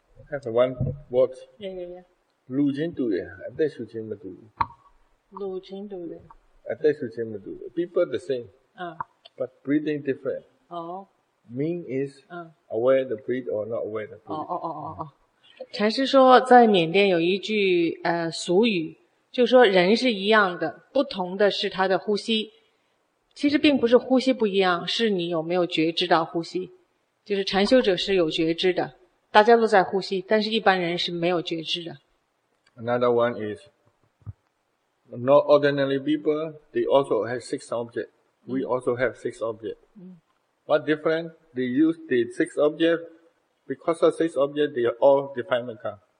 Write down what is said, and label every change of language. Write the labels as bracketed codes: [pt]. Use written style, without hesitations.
[en] Have one word. Yeah. [zh] 路径对呀，对事情没对。路径对的，啊，对事情不对的。 [en] People the same, but breathing different. Mean is aware the breath or not aware the breath. [zh] 禅师说，在缅甸有一句俗语，就说人是一样的，不同的是他的呼吸。其实并不是呼吸不一样，是你有没有觉知到呼吸。就是禅修者是有觉知的，大家都在呼吸，但是一般人是没有觉知的。 [en] Another one is. Not ordinary people, they also have six objects. We also have six objects. What different? They use the six objects. Because of six objects, they are all defilement kind.